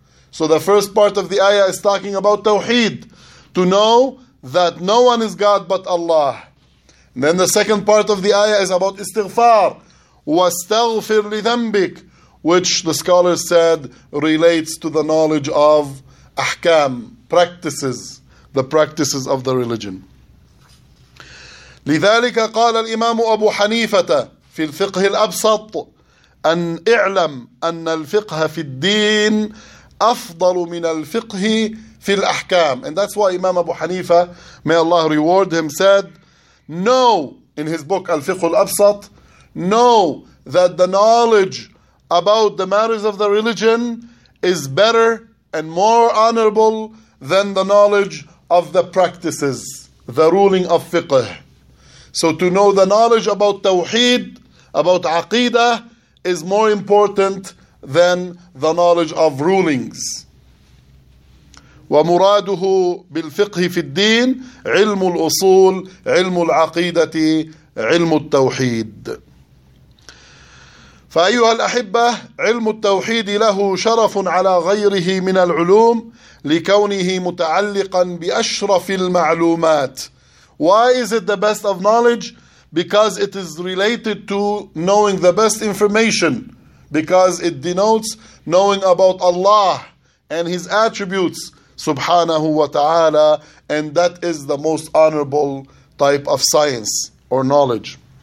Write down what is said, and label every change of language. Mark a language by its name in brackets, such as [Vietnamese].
[English] So the first part of the ayah is talking about tawheed, to know that no one is God but Allah. And then the second part of the ayah is about istighfar. [Arabic] وَاسْتَغْفِرْ لِذَنْبِكَ, [English] which the scholars said relates to the knowledge of ahkam, practices, the practices of the religion. [Arabic] لذلك قال الإمام أبو حنيفة في الفقه الأبسط أن اعلم أن الفقه في الدين أفضل من الفقه في الأحكام. [English] And that's why Imam Abu Hanifa, may Allah reward him, said, know, in his book الفقه الأبسط, know that the knowledge about the matters of the religion is better and more honorable than the knowledge of the practices, the ruling of fiqh. So to know the knowledge about tawheed, about aqidah, is more important than the knowledge of rulings. [Arabic] ومراده بالفقه في الدين علم الأصول علم العقيدة علم التوحيد. فأيها الأحبة، علم التوحيد له شرف على غيره من العلوم لكونه متعلقا بأشرف المعلومات. [English] Why is it the best of knowledge? Because it is related to knowing the best information, because it denotes knowing about Allah and His attributes subhanahu wa ta'ala, and that is the most honorable type of science or knowledge.